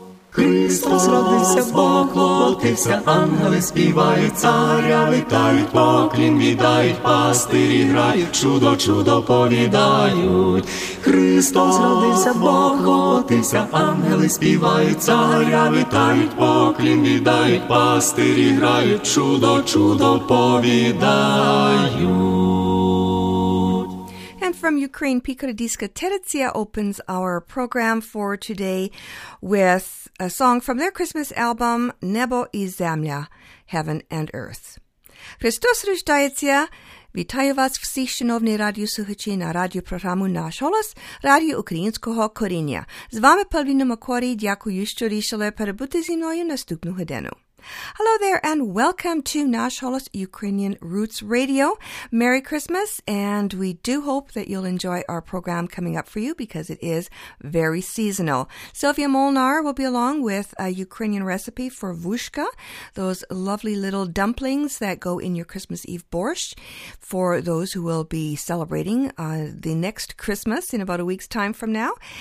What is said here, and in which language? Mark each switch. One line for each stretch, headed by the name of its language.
Ukrainian: Христос родився, Бог клопотився, ангели співають, царя вітають, поклін віддають, пастирі грають, чудо-чудо повідають. Христос родився, Бог клопотився, ангели співають, царя вітають, поклін віддають, пастирі грають, чудо-чудо повідають.
English: And from Ukraine, Pika Diska Tereziya opens our program for today with a song from their Christmas album, Nebo i Zemlya, Heaven and Earth.
Ukrainian: Христос рождається! Вітаю вас всіх, шановні радіослухачі, на радіопрограму «Наш голос» Радіо Українського коріння. З вами Павліна Макорі. Дякую, що рішили перебути зі мною наступну годину.
English: Hello there and welcome to Nash Holos Ukrainian Roots Radio. Merry Christmas, and we do hope that you'll enjoy our program coming up for you because it is very seasonal. Sylvia Molnar will be along with a Ukrainian recipe for vushka, those lovely little dumplings that go in your Christmas Eve borscht for those who will be celebrating the next Christmas in about a week's time from now.